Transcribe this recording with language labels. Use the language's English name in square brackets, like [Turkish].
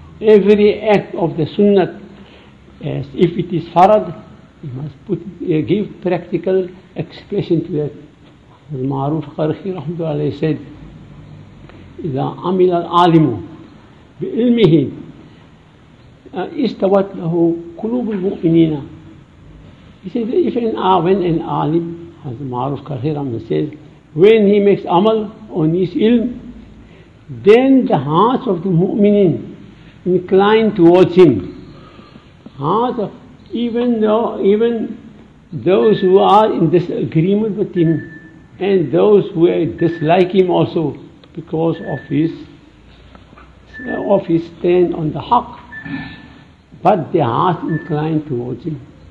[English] Every act of the sunnah, as if it is farad, you must give practical expression to that. Al-Ma'ruf Qarqi rahmatullahi said, [Arabic] إِذَا عَمِلَ الْعَالِمُ بِإِلْمِهِ إِسْتَوَتْ لَهُ قُلُوبُ الْمُؤْمِنِينَ. [English] He said, when an alim, as Ma'ruf Qarqi rahmatullahi said, when he makes amal on his ilm, then the hearts of the mu'minin incline towards him. Even those who are in disagreement with him and those who dislike him also because of his stand on the haq, but their hearts incline towards him.